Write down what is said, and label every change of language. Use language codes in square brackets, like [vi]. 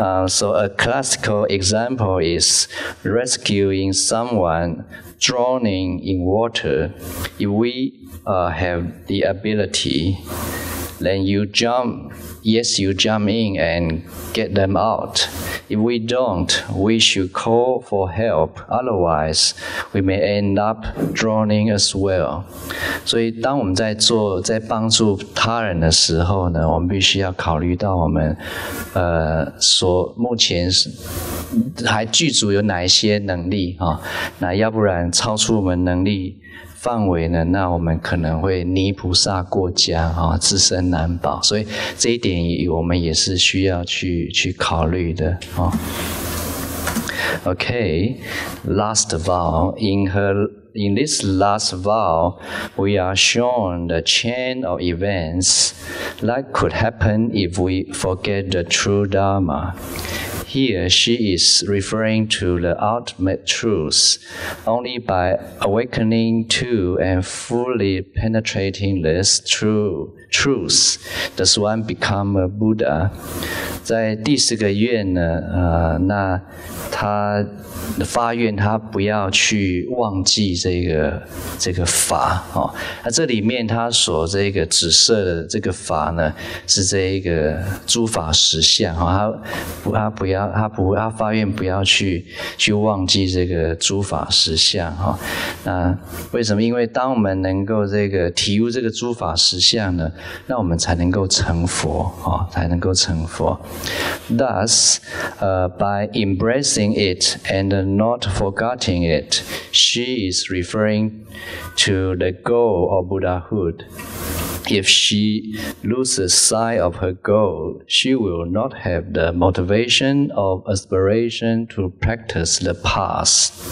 [en] So a classical example is rescuing someone drowning in water. If we have the ability, then you jump in and get them out. If we don't, we should call for help. Otherwise, we may end up drowning as well. [zh] 所以当我们在帮助他人的时候呢，我们必须要考虑到我们所目前还具足有哪一些能力啊，那要不然超出我们能力范围呢，那我们可能会泥菩萨过江啊，自身难保，所以这一点我们也是需要去考虑的啊。 [en] Okay, last vow. In her in this last vow, we are shown the chain of events that could happen if we forget the true Dharma. Here, she is referring to the ultimate truth. Only by awakening to and fully penetrating this truth does one become a Buddha. [zh] 在第四个愿呢，那他发愿，他不要去忘记这个法哦。那这里面他所这个指涉的这个法呢，是这一个诸法实相哦。他发愿不要去忘记这个诸法实相哦。那为什么？因为当我们能够这个体悟这个诸法实相呢，那我们才能够成佛哦，才能够成佛。 [en] Thus, by embracing it and not forgetting it, she is referring to the goal of Buddhahood. If she loses sight of her goal, she will not have the motivation or aspiration to practice the path.